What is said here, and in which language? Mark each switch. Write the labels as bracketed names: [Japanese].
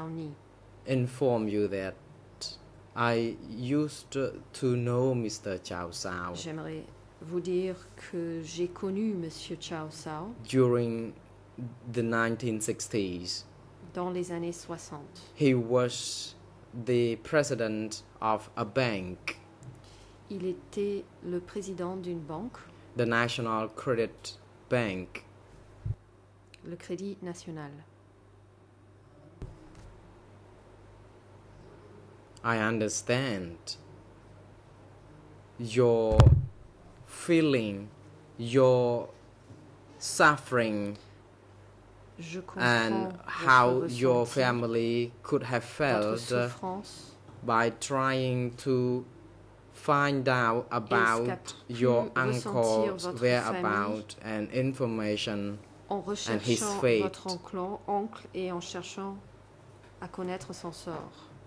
[English] to inform you that I used to know Mr. Chow Sao. [French] J'aimerais vous dire que j'ai connu Monsieur Chow Sao [English] during the 1960s. [French] Dans les années 60. [English] He was the president of a bank. [French] Il était le président d'une banque. [English] The National Credit Bank. [French] Le Crédit National. [English] I understand your feeling, your suffering, and how your family could have felt by trying to find out about your uncle's whereabouts and information. [French] En recherchant votre oncle et en cherchant à connaître son sort.